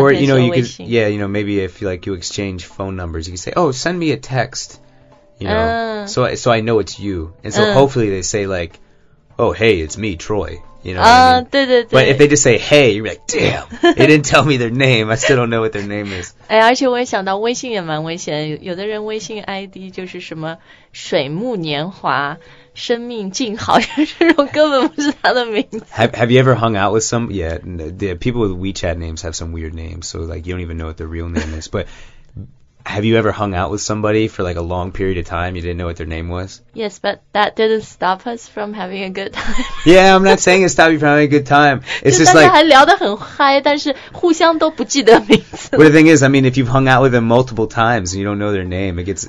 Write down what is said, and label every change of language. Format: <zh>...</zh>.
<en>Or, you know, you could, yeah, you know, maybe if like, you exchange phone numbers, you could say, oh, send me a text, you know, so I know it's you. And so hopefully they say like, oh, hey, it's me, Troy. You know what I mean?</en> <zh>对对对。</zh> <en>But if they just say, hey, you're like, damn, they didn't tell me their name. I still don't know what their name is.</en> <zh>哎，而且我也想到微信也蛮危险。有的人微信 ID 就是什么水木年华。生命静好这种根本不是他的名字。</zh> <en>Have you ever hung out with some? Yeah, the people with WeChat names have some weird names, so like you don't even know what their real name is. But have you ever hung out with somebody for like a long period of time you didn't know what their name was? Yes, but that didn't stop us from having a good time. Yeah, I'm not saying it stopped you from having a good time. It's just like</en> <zh>还聊得很嗨，但是互相都不记得名字。</zh> <en>But the thing is, I mean, if you've hung out with them multiple times and you don't know their name, it gets</en>